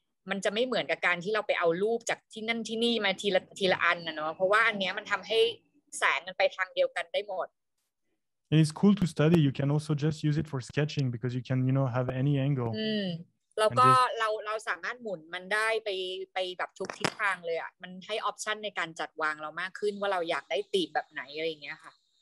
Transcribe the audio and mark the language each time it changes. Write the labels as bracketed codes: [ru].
[th] มันจะไม่เหมือนกับการที่เราไปเอารูปจากที่นั่นที่นี่มาทีละอันนะเนาะเพราะว่าอันเนี้ยมันทำให้แสงมันไปทางเดียวกันได้หมด [en] And it's cool to study. You can also just use it for sketching because you can, you know, have any angle. [th] แล้วก็ just... เราสามารถหมุนมันได้ไปแบบทุกทิศทางเลยอ่ะมันให้ออปชันในการจัดวางเรามากขึ้นว่าเราอยากได้ตีบแบบไหนอะไรอย่างเงี้ยค่ะ